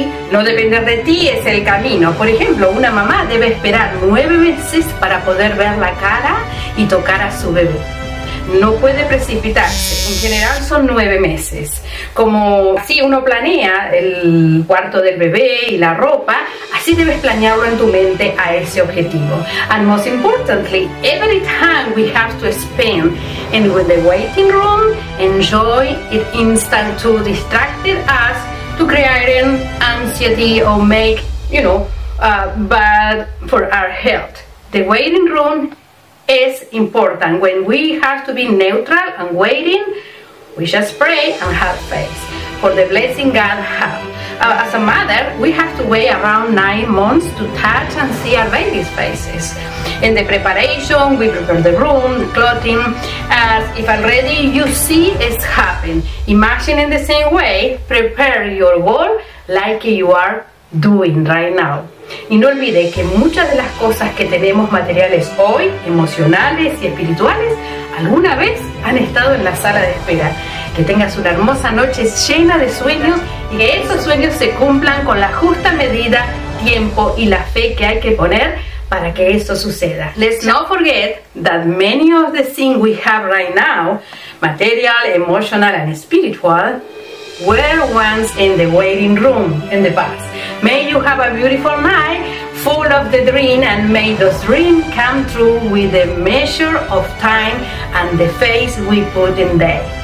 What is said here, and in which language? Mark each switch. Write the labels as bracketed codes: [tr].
[es] No depender de ti es el camino. Por ejemplo, una mamá debe esperar 9 meses para poder ver la cara y tocar a su bebé. No puede precipitarse. En general son 9 meses. Como así uno planea el cuarto del bebé y la ropa, así debes planearlo en tu mente a ese objetivo. [en] And most importantly, every time we have to spend in the waiting room, enjoy it instant to distract us to create anxiety or make, you know, bad for our health. The waiting room is important. When we have to be neutral and waiting, we just pray and have faith for the blessing God has. As a mother, we have to wait around 9 months to touch and see our baby's faces. In the preparation, we prepare the room, the clothing, as if already you see it's happen. Imagine in the same way, prepare your goal like you are doing right now. [es] Y no olvides que muchas de las cosas que tenemos materiales hoy, emocionales y espirituales, alguna vez han estado en la sala de espera. Que tengas una hermosa noche llena de sueños y que esos sueños se cumplan con la justa medida, tiempo y la fe que hay que poner para que eso suceda. [en] Let's not forget that many of the things we have right now, material, emotional and spiritual, were once in the waiting room in the past. May you have a beautiful night full of the dream, and may those dreams come true with the measure of time and the faith we put in there.